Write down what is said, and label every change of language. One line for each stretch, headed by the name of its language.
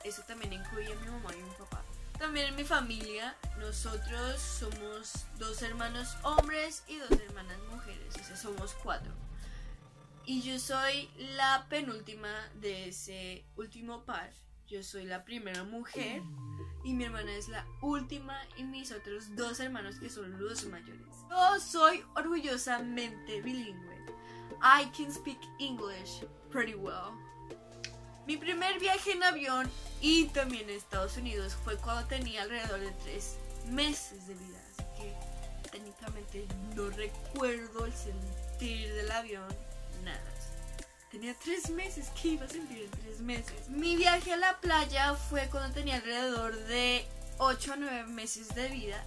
Spanish: Eso también incluye a mi mamá y mi papá. También en mi familia, nosotros somos 2 hermanos hombres y 2 hermanas mujeres, o sea, somos 4. Y yo soy la penúltima de ese último par. Yo soy la primera mujer y mi hermana es la última y mis otros 2 hermanos que son los mayores. Yo soy orgullosamente bilingüe.
English: I can speak English pretty well.
Spanish: Mi primer viaje en avión y también a Estados Unidos fue cuando tenía alrededor de 3 meses de vida. Así que técnicamente no recuerdo el sentir del avión, nada. Tenía 3 meses, ¿qué iba a sentir en 3 meses? Mi viaje a la playa fue cuando tenía alrededor de 8 o 9 meses de vida.